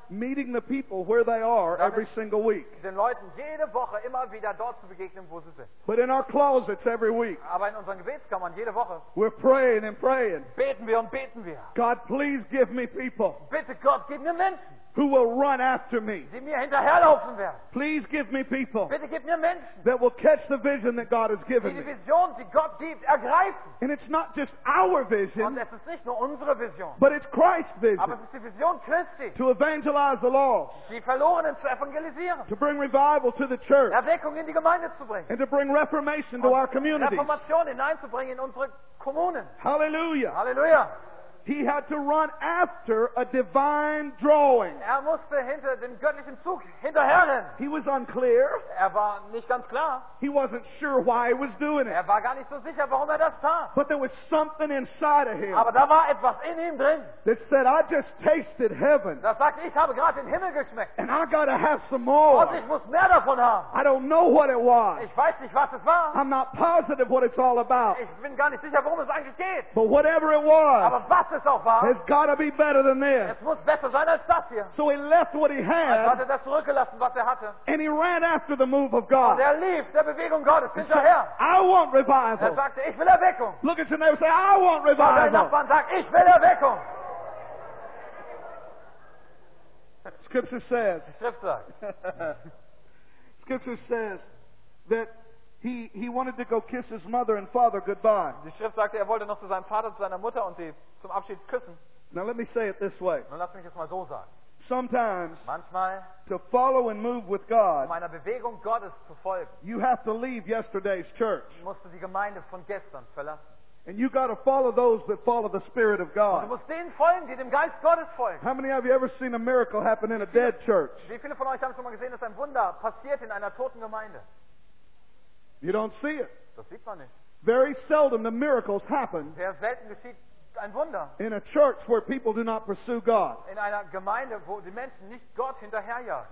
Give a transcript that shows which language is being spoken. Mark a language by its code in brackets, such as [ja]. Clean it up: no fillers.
[en] meeting the people where they are every single week. [de] Den Leuten jede Woche immer wieder dort zu begegnen, wo sie sind. [en] But in our closets every week, [de] aber in unseren Gebetskammern jede Woche, [en] we're praying and praying. [de] Beten wir und beten wir. [en] God, please give me people. [de] Bitte Gott, gib mir Menschen. [en] Who will run after me. [de] Die mir hinterherlaufen werden. [en] Please give me people. [de] Bitte gib mir Menschen. [en] That will catch the vision that God has given me. [de] Die Vision, die Gott gibt, ergreifen. [en] And it's not just our vision. [de] Und es ist nicht nur unsere Vision. [en] But it's Christ's vision. [de] Aber es ist die Vision Christi. [en] To evangelize the lost. [de] Die Verlorenen zu evangelisieren. [en] To bring revival to the church. [de] Erweckung in die Gemeinde zu bringen. [en] And to bring reformation to our communities. [de] Reformation hineinzubringen in unsere Kommunen. [en] Hallelujah. [de] Hallelujah. [en] He had to run after a divine drawing. [de] Er musste hinter dem göttlichen Zug hinterherrennen. [en] He was unclear. [de] Er war nicht ganz klar. [en] He wasn't sure why he was doing it. [de] Er war gar nicht so sicher, warum er das tat. [en] But there was something inside of him. [de] Aber da war etwas in ihm drin. [en] That said, I just tasted heaven. [de] Das sagt, ich habe gerade den Himmel geschmeckt. [en] And I gotta have some more. [de] Und ich muss mehr davon haben. [en] I don't know what it was. [de] Ich weiß nicht, was es war. [en] I'm not positive what it's all about. [de] Ich bin gar nicht sicher, worum es eigentlich geht. [en] But whatever it was. [de] Aber was [en] it's got to be better than this. [de] Es muss besser sein als das hier. [en] So he left what he had. [de] Also hat er das zurückgelassen, was er hatte. [en] And he ran after the move of God. [de] Und er lief der Bewegung Gottes hinterher. [en] I want revival. [de] Er sagte, ich will Erweckung. [en] Look at your neighbor and say, I want revival. [de] Und dein Nachbarn sagt, ich will Erweckung. [en] Scripture says. [de] Die Schrift sagt. [en] Scripture says that he wanted to go kiss his mother and father goodbye. [de] Die Schrift sagte, er wollte noch zu seinem Vater, zu seiner Mutter und sie zum Abschied küssen. [en] Now let me say it this way. [de] Nun lass mich das mal so sagen. [en] Sometimes, [de] manchmal, [en] to follow and move with God, [de] um einer Bewegung Gottes zu folgen, [en] you have to leave yesterday's church. [de] Musst du die Gemeinde von gestern verlassen. [en] And you got to follow those that follow the Spirit of God. [de] Du musst denen folgen, die dem Geist Gottes folgen. [en] How many of you ever seen a miracle happen in a dead church? [de] Wie viele von euch haben schon mal gesehen, dass ein Wunder passiert in einer toten Gemeinde? [en] You don't see it. [de] Das sieht man nicht. [en] Very seldom the miracles happen. [de] Sehr selten geschieht ein Wunder. [en] In a church where people do not pursue God. [de] In einer Gemeinde, wo die Menschen nicht Gott hinterherjagen.